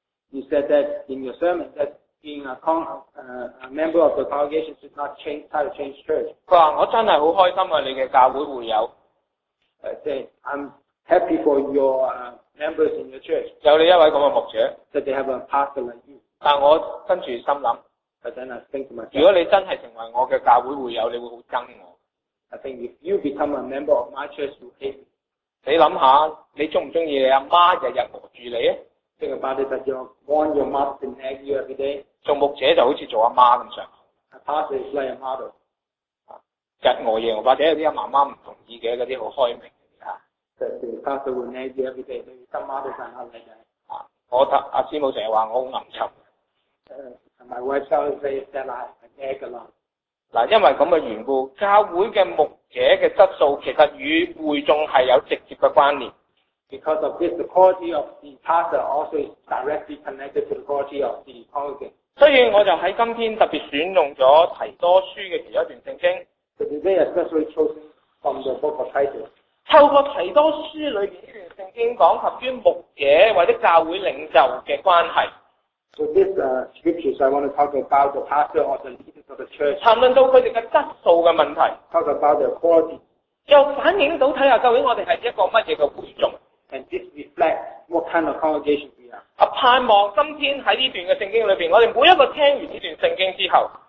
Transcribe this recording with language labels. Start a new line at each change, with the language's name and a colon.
English: You said that in your sermon that being a member of the congregation should not try to change church.
Cantonese: 佢话我真系好开心啊，你嘅教会会有。
English: Say I'm happy for your members in your church.
Cantonese: 有你一位咁嘅牧者。
English: That they have a pastor like you.
Cantonese: 但我跟住心谂，如果你真系成为我嘅教会会友，你会好憎我。
English: I think if you become a member of my church, you hate me.
Cantonese: 你谂下，你中唔中意你阿妈日日磨住你啊
English: ？Think about it that your mom, your mother, and nag you every day.
Cantonese: 做牧者就好似做阿妈咁上。
English: A pastor is like a mother.
Cantonese: 日磨夜磨，或者有啲阿妈妈唔同意嘅嗰啲好开明嘅吓。
English: The pastor will nag you every day. Maybe some mothers are not like that.
Cantonese: 我阿师母成日话我好暗沉。
English: My wife always says that I nag a lot。
Cantonese: 嗱，因为咁嘅缘故，教会嘅牧者嘅质素其实与会众系有直接嘅关联。
English: Because of this, the quality of the pastor also is directly connected to the quality of the congregation。
Cantonese: 所以我就喺今天特别选用咗提多书嘅其中一段圣经。
English: So today especially chosen from the book of Titus。
Cantonese: 透过提多书里面呢段圣经讲及于牧者或者教会领袖嘅关系。
English: So this scriptures I want to talk about the pastor or the leaders of the church。
Cantonese: 谈论到佢哋嘅质素嘅问题。
English: Talk about their quality。
Cantonese: 又反映到睇下究竟我哋系一个乜嘢嘅会众。
English: And this reflects what kind of congregation we are。
Cantonese: 啊，盼望今天喺呢段嘅圣经里面，我哋每一个听完呢段圣经之后。